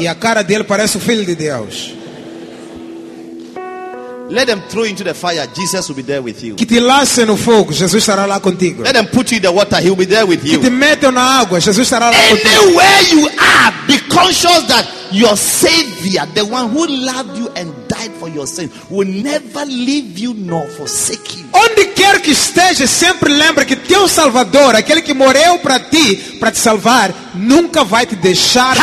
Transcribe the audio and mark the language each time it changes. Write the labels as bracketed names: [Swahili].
[Portuguese] E a cara dele parece o filho de Deus. [English] Let them throw you into the fire. Jesus will be there with you. [Portuguese] Que te lance no fogo, Jesus estará lá contigo. [English] Let them put you in the water. He'll be there with you. [Portuguese] Que te metam na água, Jesus estará lá contigo. [English] Anywhere you are, be conscious that your Savior, the one who loved you and died for your sins, will never leave you nor forsake you. [Portuguese] Onde quer que esteja, sempre lembra que teu Salvador, aquele que morreu para te salvar, nunca vai te deixar